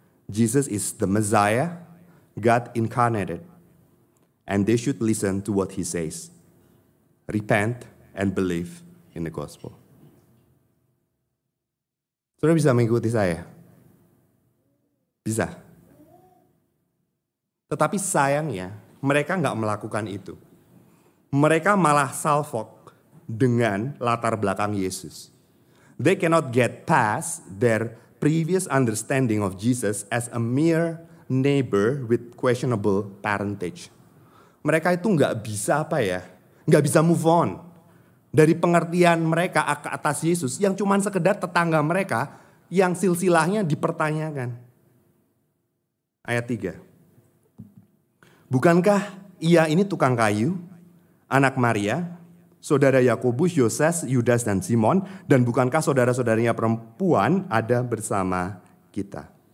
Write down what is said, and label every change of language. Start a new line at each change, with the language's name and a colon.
English: Jesus is the Messiah, God incarnated, and they should listen to what he says. Repent and believe in the gospel.
Indonesian: Saudara bisa mengikuti saya? Bisa. Tetapi sayangnya, mereka gak melakukan itu. Mereka malah salfok dengan latar belakang Yesus.
English: They cannot get past their previous understanding of Jesus as a mere neighbor with questionable parentage.
Indonesian: Mereka itu gak bisa apa ya, gak bisa move on dari pengertian mereka ke atas Yesus yang cuma sekedar tetangga mereka yang silsilahnya dipertanyakan. Ayat 3. Bukankah ia ini tukang kayu, anak Maria, saudara Yakobus, Yoses, Yudas, dan Simon, dan bukankah saudara-saudaranya perempuan ada bersama kita?